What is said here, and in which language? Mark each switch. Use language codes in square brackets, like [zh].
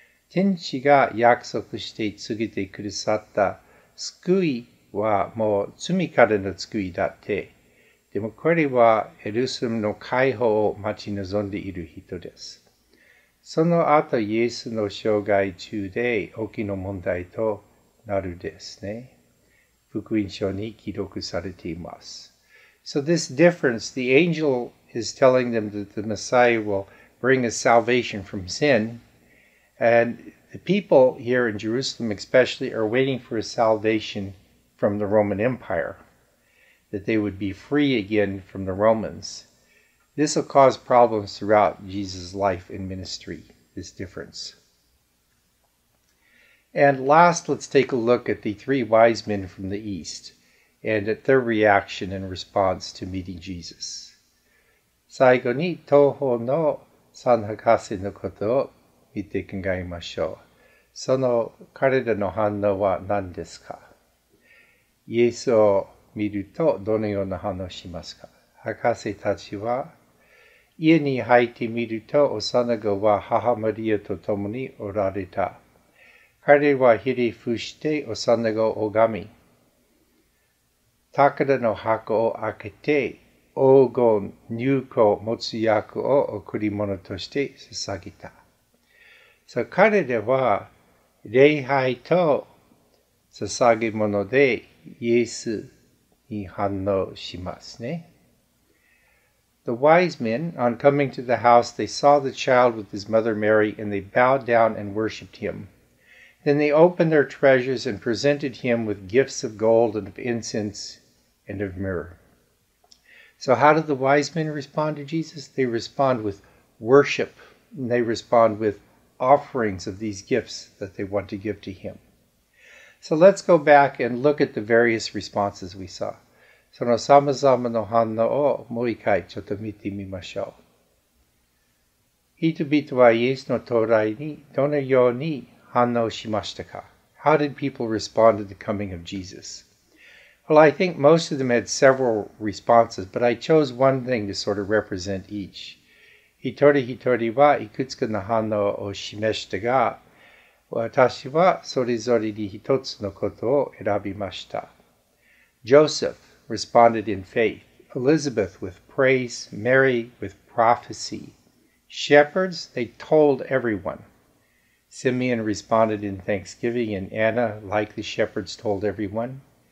[ja] 天使が約束して告げてくださった救いはもう罪からの救いだって。でもこれはエルサレムの解放を待ち望んでいる人です。その後イエスの生涯中で大きな問題となるですね。福音書に記録されています。 [en] So this difference, the angel is telling them that the Messiah will bring us salvation from sin. And the people here in Jerusalem especially are waiting for a salvation from the Roman Empire, that they would be free again from the Romans. This will cause problems throughout Jesus' life and ministry, this difference. And last, let's take a look at the three wise men from the East and at their reaction and response to meeting Jesus. [ja] 最後に東方の三博士のことを見て考えましょう。その彼らの反応は何ですか？イエスを見るとどのような反応しますか？博士たちは、家に入ってみると幼子は母マリアと共におられた。彼はひれ伏して幼子を拝み、宝の箱を開けて、黄金、乳香、持つ薬を贈り物として捧げた。彼らは礼拝と捧げ物でイエスに反応しますね。 [en] The wise men, on coming to the house, they saw the child with his mother Mary, and they bowed down and worshipped him. Then they opened their treasures and presented him with gifts of gold and of incense and of myrrh. So how did the wise men respond to Jesus? They respond with worship, and they respond with offerings of these gifts that they want to give to him. So let's go back and look at the various responses we saw. [ja] そのさまざまな反応をもう一回ちょっと見てみましょう。人々はイエスの到来にどのように反応しましたか？ [en] How did people respond to the coming of Jesus? Well, I think most of them had several responses, but I chose one thing to sort of represent each. [ja] 一人一人はいくつかの反応を示したが、私はそれぞれに一つのことを選びました。 [en] Joseph. Responded in faith, Elizabeth with praise, Mary with prophecy. Shepherds, they told everyone. Simeon responded in thanksgiving, and Anna, like the shepherds, told everyone.